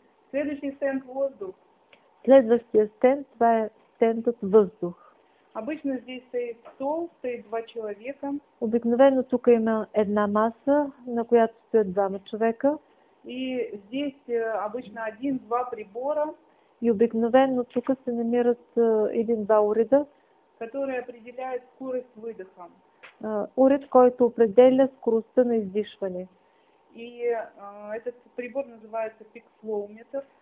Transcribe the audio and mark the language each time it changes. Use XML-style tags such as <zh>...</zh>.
<bg>Следващия стенд – въздух. Следващия стенд – това е стендът въздух.</bg> <ru>Обычно здесь стоит стол, стоит два человека.</ru> <bg>Обикновено тук има една маса, на която стоят двама човека.</bg> <ru>И здесь обычно один-два прибора.</ru> <bg>И обикновено тук се намират един-два уреда.</bg> <ru>Которые определяют скорость выдоха.</ru> <bg>Уред, който определя скоростта на издишване.</bg> <ru>И этот прибор называется пикфлоуметр.</ru>